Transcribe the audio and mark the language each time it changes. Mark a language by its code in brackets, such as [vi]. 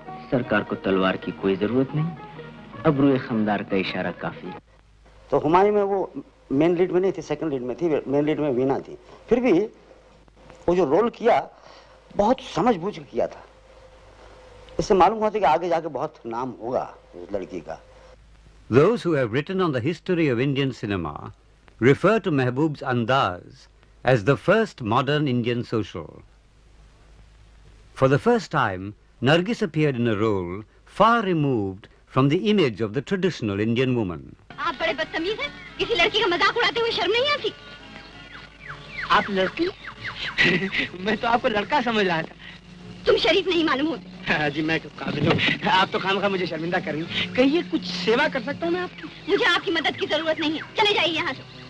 [hi] सरकार को तलवार की कोई जरूरत नहीं, अबरूए खमदार का इशारा काफी। तो हुमायूं में वो मेन लीड में नहीं थी, सेकंड लीड में थी, मेन लीड में वीना थी। फिर भी वो जो रोल किया बहुत समझबूझ के किया था, इससे मालूम होता कि आगे जाके बहुत नाम होगा उस लड़की का। [en] Those who have written on the history of Indian cinema refer to Mehboob's andaaz as the first modern Indian social. For the first time Nargis appeared in a role far removed from the image of the traditional Indian woman. [hi] आप बड़े बदतमीज हैं। किसी लड़की का मजाक उड़ाते हुए शर्म नहीं आती? आप लड़की? मैं तो आपको लड़का समझ रहा था। तुम शरीफ नहीं मालूम होते। हाँ जी, मैं काबिल हूँ। आप तो खामखा मुझे शर्मिंदा कर रही। कहिए, कुछ सेवा कर सकता हूँ मैं आपकी? मुझे आपकी मदद की जरूरत नहीं है, चले जाइए यहाँ से।